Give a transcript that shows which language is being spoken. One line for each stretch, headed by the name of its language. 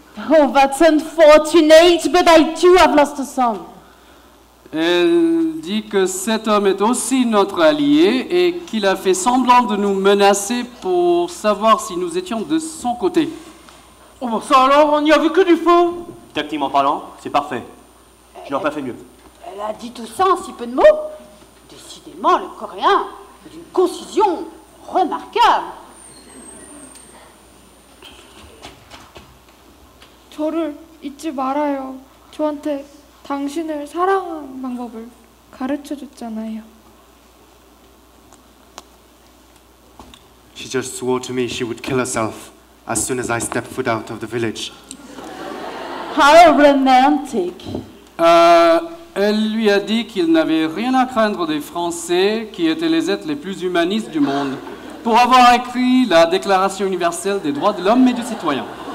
English: Oh, that's unfortunate, but I too have lost a son.
French: Elle dit que cet homme est aussi notre allié et qu'il a fait semblant de nous menacer pour savoir si nous étions de son côté. Oh ben ça alors, on n'y a vu que du feu. Tactiquement parlant, c'est parfait. Je n'aurais pas fait mieux. Elle a dit tout ça en si peu de mots. Décidément, le Coréen est d'une concision remarquable.
Korean: 저를 잊지 말아요. 저한테... 당신을 사랑하는 방법을 가르쳐줬잖아요.
English: She just swore to me she would kill herself as soon as I step foot out of the village. How romantic.
French: Elle lui a dit qu'il n'avait rien à craindre des Français qui étaient les êtres les plus humanistes du monde pour avoir écrit la Déclaration universelle des droits de l'homme et du citoyen.